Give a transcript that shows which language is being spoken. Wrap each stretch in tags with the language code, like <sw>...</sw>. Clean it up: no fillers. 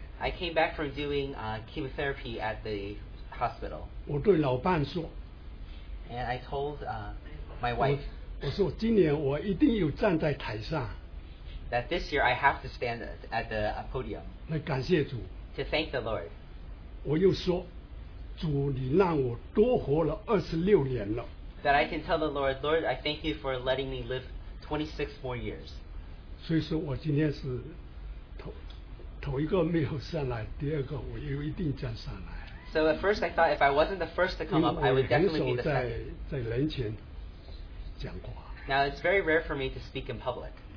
<en>I came back from doing chemotherapy at the hospital.</en> <zh>我对老伴说,</zh> <en>and I told my wife,</en> <zh>我说今年我一定要站在台上,</zh> <en>that this year I have to stand at the podium,</en> <zh>来感谢主,</zh> <en>to thank the Lord.</en> <zh>我又说, 主你让我多活了26年了,</zh> <en>that I can tell the Lord, Lord, I thank you for letting me live 26 more years.</en> <zh>所以说我今天是头一个没有上来,第二个我又一定站上来,</zh> <en>so at first I thought if I wasn't the first to come up, I would definitely be the second.</en> <zh>在人前讲话,</zh> <en>now it's very rare for me to speak in public.</en>